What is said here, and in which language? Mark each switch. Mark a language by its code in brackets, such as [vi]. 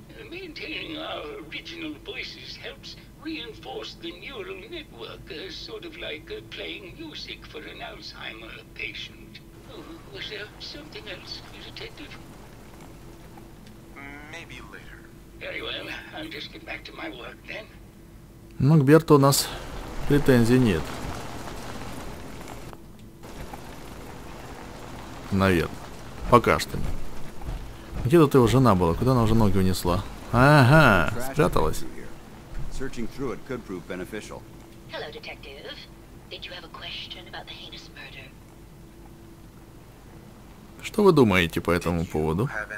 [en] Maintaining our original voices helps reinforce the neural network, sort of like playing music for an Alzheimer patient. Was there something else, detective? Maybe later. Very well. I'll just get back to my work then. [ru] Ну, к Берту у нас претензий нет. Наверное. Пока что. Где тут его жена была? Куда она уже ноги унесла? Ага, спряталась. [en] Hello, detective. Did you have a question about the heinous murder? [ru] Что вы думаете по этому поводу?